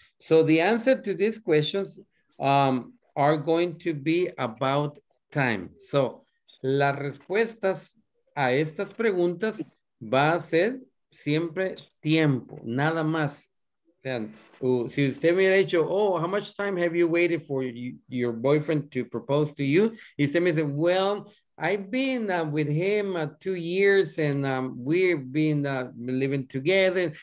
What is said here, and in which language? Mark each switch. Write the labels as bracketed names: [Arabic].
[English] So the answer to these questions are going to be about time. [Spanish] So las respuestas a estas preguntas va a ser siempre tiempo, nada más. [English] And, [Spanish] si usted me hubiera dicho, [English] oh, how much time have you waited for your boyfriend to propose to you? [Spanish] Y usted me dice, [English] well, I've been with him 2 years and we've been living together.